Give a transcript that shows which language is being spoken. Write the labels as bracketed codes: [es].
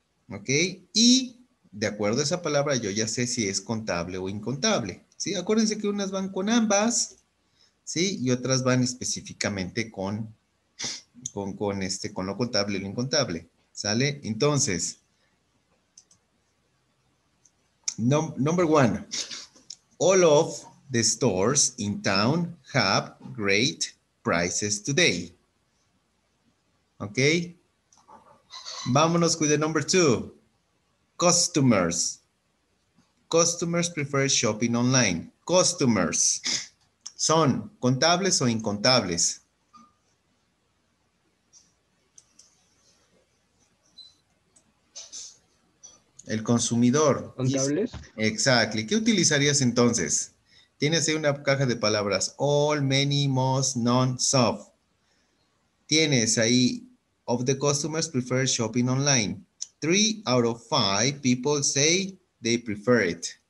[es] ¿Ok? Y de acuerdo a esa palabra, yo ya sé si es contable o incontable. ¿Sí? Acuérdense que unas van con ambas, ¿sí? Y otras van específicamente con lo contable y lo incontable. ¿Sale? [en] Entonces, number one, all of the stores in town have great prices today. [es] ¿Ok? Vámonos con el [en] number two. Customers. Customers prefer shopping online. Customers. [es] ¿Son contables o incontables? El consumidor. ¿Contables? [en] Exactly. [es] ¿Qué utilizarías entonces? Tienes ahí una caja de palabras. [en] All, many, most, none, soft. [es] Tienes ahí. [en] Of the customers prefer shopping online. 3 out of 5 people say they prefer it.